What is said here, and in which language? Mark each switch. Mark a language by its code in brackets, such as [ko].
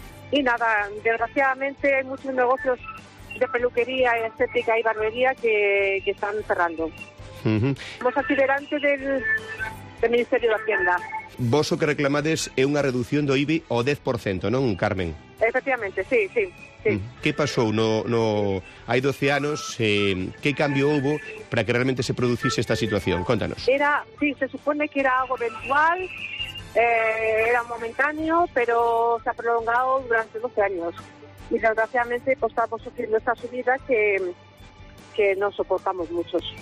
[es] Y nada, desgraciadamente hay muchos negocios de peluquería, estética y barbería que están cerrando. Estamos aquí delante del Ministerio de Hacienda. [gl] Vos o que reclamades é unha reducción do IBI o 10%, non, Carmen? [es] Efectivamente, sí, sí. Sí. [gl] Que pasou? No, hai 12 anos, que cambio houbo para que realmente se producise esta situación? Contanos. [es] Se supone que era algo eventual, era momentáneo, pero se ha prolongado durante 12 años. Y desgraciadamente pues, estamos sufriendo esta subida que no soportamos muchos.